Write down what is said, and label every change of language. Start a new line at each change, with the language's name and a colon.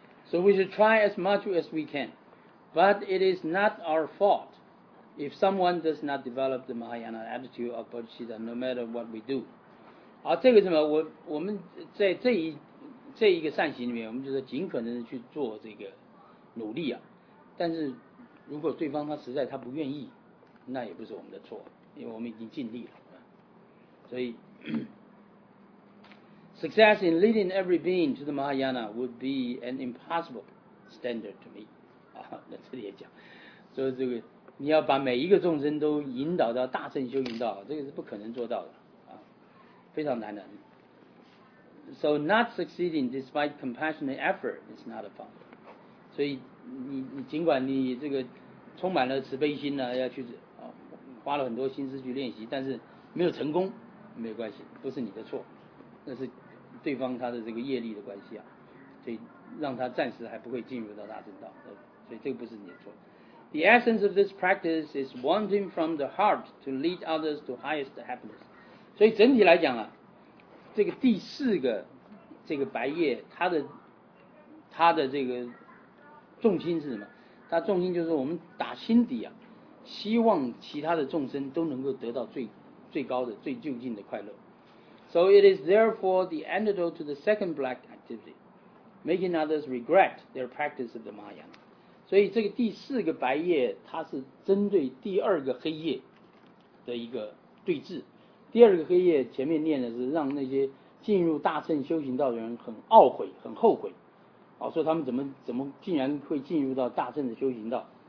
English: So we should try as much as we can, but it is not our fault. If someone does not develop the Mahayana attitude of Bodhicitta, no matter what we do.
Chinese: 好，这个什么，我们在这一个善行里面，我们就是尽可能的去做这个努力啊。但是如果对方他实在他不愿意，那也不是我们的错，因为我们已经尽力了。所以
English: success in leading every being to the Mahayana would be an impossible standard to meet.
Chinese: 好，那这里也讲，所以这个你要把每一个众生都引导到大乘修行道，这个是不可能做到的，啊，非常难的。
English: So not succeeding despite compassionate effort is not a fault.
Chinese: 所以你尽管你这个充满了慈悲心呢，要去，啊，花了很多心思去练习，但是没有成功，没有关系，不是你的错，那是对方他的这个业力的关系啊，所以让他暂时还不会进入到大乘道，所以这个不是你的错。
English: The essence of this practice is wanting from the heart to lead others to highest happiness.
Chinese: 所以整体来讲啊，这个第四个这个白业，它的这个重心是什么？他重心就是我们打心底啊，希望其他的众生都能够得到最高的、最究竟的快乐。
English: So it is therefore the antidote to the second black activity, making others regret their practice of the Mahayana.
Chinese: 所以这个第四个白夜，它是针对第二个黑夜的一个对峙。第二个黑夜前面念的是让那些进入大乘修行道的人很懊悔、很后悔。哦，说他们怎么竟然会进入到大乘的修行道？